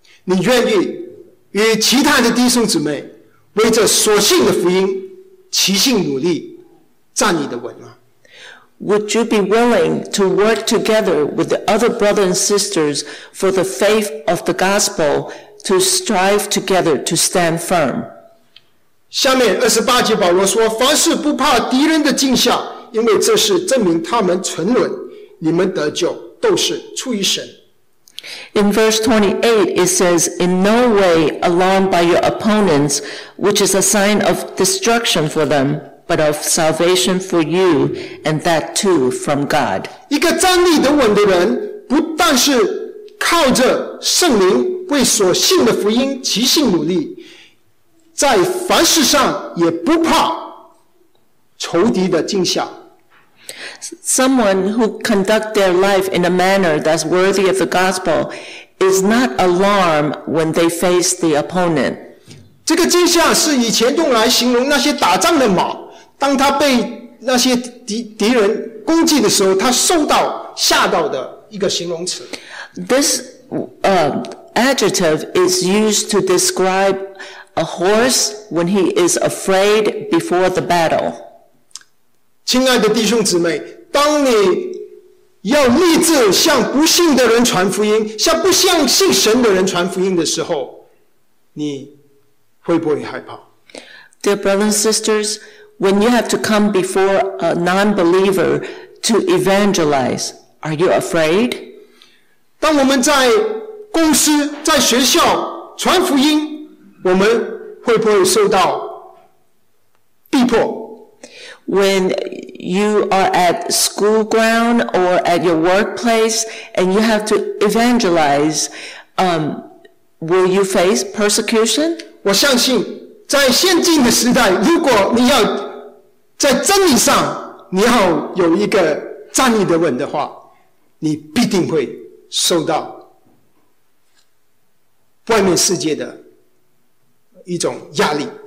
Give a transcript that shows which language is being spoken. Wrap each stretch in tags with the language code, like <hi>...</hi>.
<zh>你愿意与其他的弟兄姊妹为着所信的福音齐心努力站你的稳吗？</zh> <en>Would you be willing to work together with the other brothers and sisters for the faith of the gospel to strive together to stand firm?</en> <zh>下面28节保罗说，凡事不怕敌人的惊吓，因为这是证明他们沉沦，你们得救都是出于神。</zh> <en>In verse 28, it says, in no way alarmed by your opponents, which is a sign of destruction for them. But of salvation for you, and that too from God.</en> <zh>一个站立得稳的人，不但是靠着圣灵为所信的福音齐心努力，在凡事上也不怕仇敌的惊吓。</zh> <en>Someone who conduct their life in a manner that's worthy of the gospel is not alarmed when they face the opponent.</en> <zh>这个惊吓是以前用来形容那些打仗的马。当他被那些 敌人攻击的时候，他受到吓到的一个形容词。</zh> <en>This adjective is used to describe a horse when he is afraid before the battle.</en> <zh>亲爱的弟兄姊妹，当你要立志向不信的人传福音，向不相信神的人传福音的时候，你会不会害怕？</zh> <en>Dear brothers and sisters,When you have to come before a non-believer to evangelize, are you afraid?</en> <zh>当我们在公司、在学校传福音，我们会不会受到逼迫？</zh> <en>When you are at school ground or at your workplace and you have to evangelize, will you face persecution?</en> <zh>我相信在现今的时代，如果你要在真理上你要有一个站立的稳的话，你必定会受到外面世界的一种压力。</zh>